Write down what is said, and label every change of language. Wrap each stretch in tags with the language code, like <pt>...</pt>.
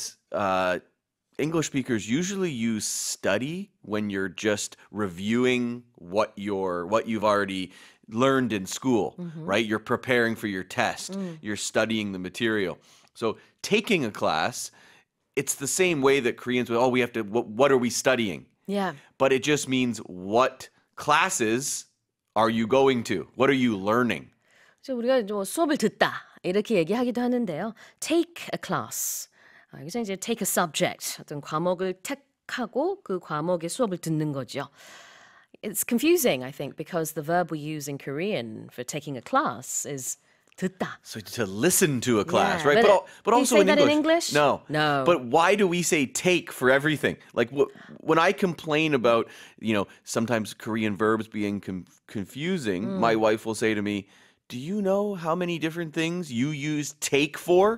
<en>Whereas English speakers usually use study when you're just reviewing what you've already learned in school, mm-hmm. right? You're preparing for your test. Mm. You're studying the material. So taking a class, it's the same way that Koreans would, what are we studying? Yeah. But it just means what classes are you going to? What are you learning?</en> <ko>So 우리가 뭐 수업을 듣다 이렇게 얘기하기도 하는데요.</ko> <en>Take a class.</en> <ko>여기서 이제</ko> <en>take a subject.</en> <ko>어떤 과목을 택하고 그 과목의 수업을 듣는 거죠.</ko> <en>It's confusing, I think, because the verb we use in Korean for taking a class is 듣다. So to listen to a class, yeah, right? But do also you say in that English. No. No. But why do we say take for everything? Like when I complain about, you know, sometimes Korean verbs being confusing, my wife will say to me, do you know how many different things you use take for?</en>